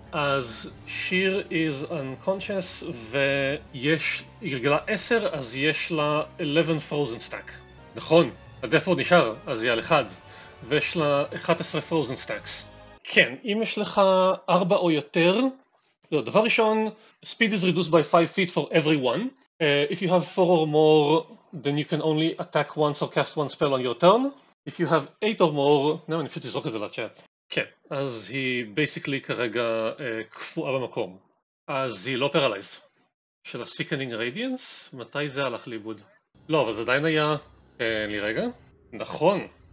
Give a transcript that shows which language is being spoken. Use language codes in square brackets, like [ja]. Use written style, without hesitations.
[he] אז שיר [en] is unconscious [he] ויש, היא גלגלה 10, אז יש לה 11 frozen stack. נכון, הדאת' וורד נשאר, אז היא על 1 ויש לה 11 frozen stacks. כן, אם יש לך 4 או יותר, לא, דבר ראשון, [en] speed is reduced by 5 feet for everyone. If you have 4 or more, then you can only attack once or cast one spell on your turn. If you have 8 or more, [he] לא, אני פשוט אזרוק את זה לצ'אט. כן, אז היא basically כרגע קפואה במקום. אז היא לא paralyzed. של ה-sickening radiance, מתי זה הלך לאיבוד? לא, אבל זה עדיין היה... אין לי רגע. נכון.